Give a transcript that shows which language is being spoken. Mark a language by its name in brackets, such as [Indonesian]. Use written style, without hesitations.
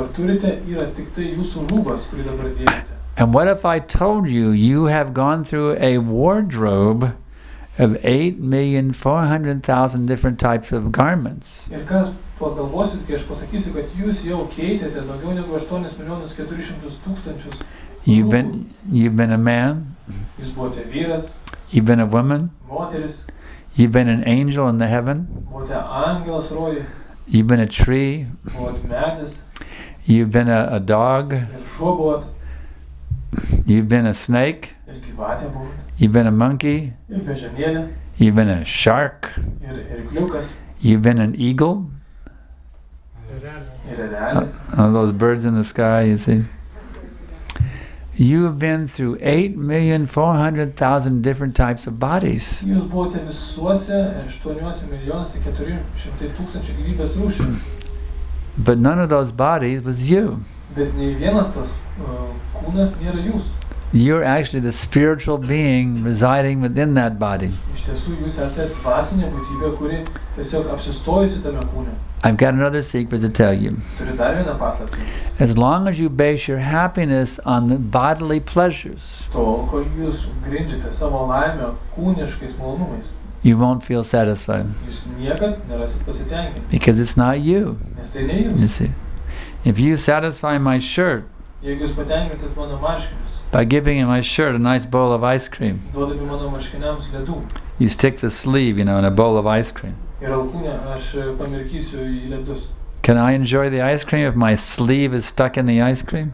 [English] And what if I told you you have gone through a wardrobe of 8,400,000 different types of garments. [Lithuanian] Ir kas pagalvosit, kai aš pasakysiu, kad jūs jau keitėte daugiau negu 8,400,000. [English] You've been a man. [Lithuanian] Jūs buvote vyras. [English] You've been a woman. [Lithuanian] Moteris. [English] You've been an angel in the heaven. [Lithuanian] Buvote angelas rojuje. [English] You've been a tree. [Lithuanian] Buvote medis. [English] You've been a dog. [Lithuanian] Ir šuo buvote. [English] You've been a snake. [Lithuanian] Ir gyvatė buvote. [English] You've been a monkey. [Lithuanian] Ir beždžionėlė. [English] You've been a shark. [Lithuanian] Ir kliukas. [English] You've been an eagle. [Lithuanian] Ir erelis. [English] All those birds in the sky, you see. You've been through 8,400,000 different types of bodies. [Lithuanian] Jūs buvote visuose 8,400,000 gyvybės rūšių. [English] But none of those bodies was you. [Lithuanian] Bet nei vienas tas kūnas nėra jūs. [English] You're actually the spiritual being residing within that body. [Lithuanian] Iš tiesų jūs esate dvasinė būtybė, kuri tiesiog apsistojusi tame kūne. [English] I've got another secret to tell you. [Lithuanian] Turiu dar vieną paslaptį. [English] As long as you base your happiness on the bodily pleasures, [Lithuanian] tol, kol jūs grindžiate savo laimę kūniškais malonumais, [English] you won't feel satisfied. [Lithuanian] Jūs niekad nerasit pasitenkinti. [English] Because it's not you. [Lithuanian] Nes tai ne jūs. [English] You see. If you satisfy my shirt, [Lithuanian] jeigu jūs patenkinsit mano marškinius, [English] by giving my shirt a nice bowl of ice cream, [Lithuanian] duodami mano marškiniams ledų, [English] you stick the sleeve, you know, in a bowl of ice cream. [Lithuanian] Ir alkūnę aš pamirkysiu į ledus. [English] Can I enjoy the ice cream if my sleeve is stuck in the ice cream?